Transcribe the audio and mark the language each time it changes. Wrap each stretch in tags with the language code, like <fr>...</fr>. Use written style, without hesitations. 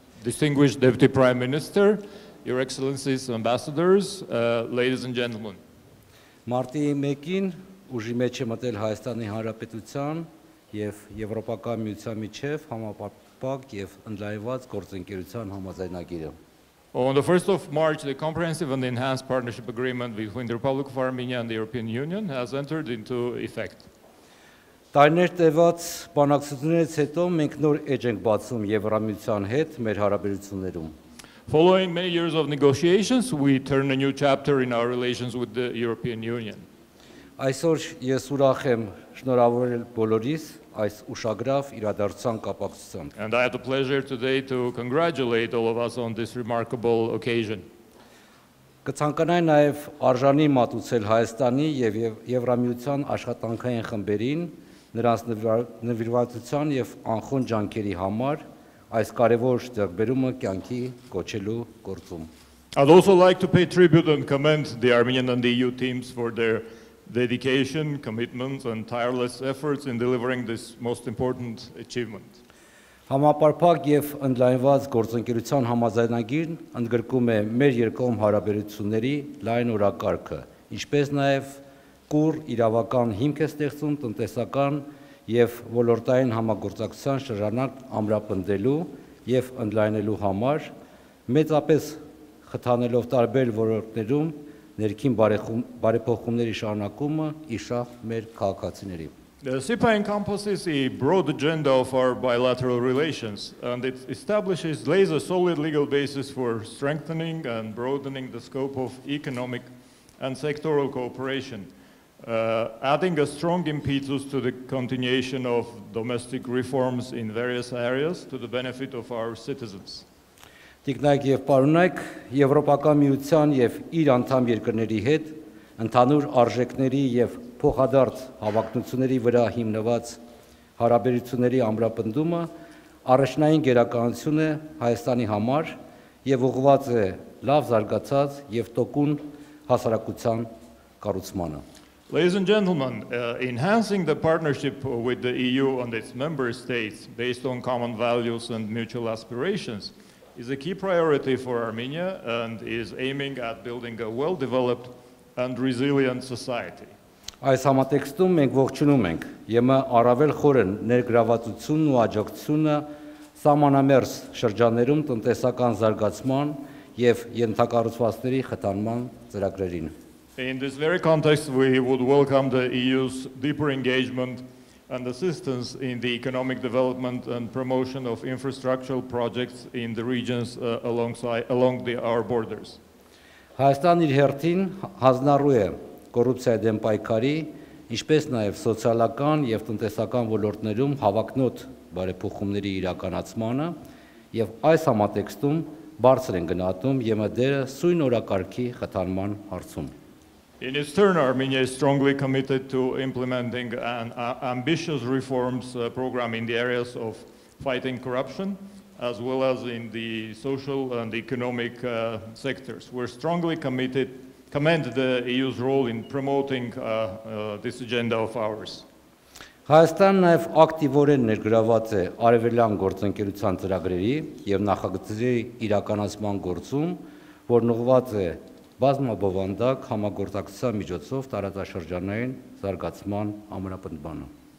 <en>Distinguished Deputy Prime Minister, Your Excellencies, Ambassadors, ladies and gentlemen.</en> <hy>Մարտի 1-ին ուժի մեջ է մտել Հայաստանի Հանրապետության եւ Եվրոպական միության միջև համապարփակ եւ ընդլայնված գործընկերության համաձայնագիրը.</hy> <en>On the 1st of March, the Comprehensive and Enhanced Partnership Agreement between the Republic of Armenia and the European Union has entered into effect.</en> <hy>Տարիներ տևած բանակցություններից հետո մենք նոր էջ ենք բացում Եվրամիության հետ մեր հարաբերություններում.</hy> <en>Following many years of negotiations, we turn a new chapter in our relations with the European Union.</en> <hy>Այսօր ես ուրախ եմ շնորհավորել բոլորիս այս ուշագրավ իրադարձության կապակցությամբ.</hy> <en>And I have the pleasure today to congratulate all of us on this remarkable occasion.</en> <hy>Կցանկանայի նաև արժանի մատուցել Հայաստանի եւ Եվրամիության աշխատանքային խմբերին նրանց նվիրվածության եւ անխոն ջանքերի համար այս կարևոր ձեռբերումը կյանքի կոչելու գործում։</hy> <en>I'd also like to pay tribute and commend the Armenian and the EU teams for their dedication, commitment and tireless efforts in delivering this most important achievement.</en> <hy>Համապարփակ եւ ընդլայնված գործընկերության համաձայնագիրն ընդգրկում է մեր երկրում հարաբերությունների լայն օրակարգը, ինչպես նաեւ կուր իրավական հիմք է ստեղծում տնտեսական եւ ոլորտային համագործակցության շրջանակ ամրապնդելու եւ ընդլայնելու համար, մեծապես խթանելով տարբեր ոլորտներում ներքին բարեփոխումների շարունակումը իշխ մեր քաղաքացիների։</hy> <en>CIPA encompasses a broad agenda of our bilateral relations and it establishes lays a solid legal basis for strengthening and broadening the scope of economic and sectoral cooperation, adding a strong impetus to the continuation of domestic reforms in various areas to the benefit of our citizens.</en> <hy>Տիկնայք եւ պարոնայք, Եվրոպական միության եւ իր անդամ երկրների հետ ընդհանուր արժեքների եւ փոխադարձ հավակնությունների վրա հիմնված հարաբերությունների ամրապնդումը առաջնային գերակայություն է Հայաստանի համար եւ ուղղված է լավ զարգացած եւ տոկուն հասարակության կառուցմանը։</hy> <en>Ladies and gentlemen, enhancing the partnership with the EU and its member states based on common values and mutual aspirations is a key priority for Armenia and is aiming at building a well-developed and resilient society.</en> <hy>Այս համատեքստում մենք ողջունում ենք ԵՄ առավել խորն ներգրավվածությունն ու աջակցությունը սահմանամերձ շրջաններում տնտեսական զարգացման եւ ենթակառուցվածքների խթանման ծրագրերին.</hy> <en>In this very context, we would welcome the EU's deeper engagement and assistance in the economic development and promotion of infrastructural projects in the regions along our borders.</en> <hy>Հայաստանն իր հերթին հանձնարարու է կոռուպցիայի դեմ պայքարի, ինչպես նաև սոցիալական եւ տնտեսական ոլորտներում հավակնոտ բարեփոխումների իրականացմանը, եւ այս համատեքստում բարձր են գնահատում ԵՄ դերը սույն օրակարգի խթանման հարցում.</hy> <en>In its turn, Armenia is strongly committed to implementing an ambitious reforms program in the areas of fighting corruption, as well as in the social and economic sectors. We're strongly committed, commend the EU's role in promoting this agenda of ours.</en> <hy>Հայաստանն նաև ակտիվորեն ներգրավված է արևելյան գործընկերության ծրագրերի եւ նախագծերի իրականացման գործում, որն ուղղված է բազմաբովանդակ համագործակցության միջոցով տարածաշրջանային զարգացման ամրապնդմանը։</hy>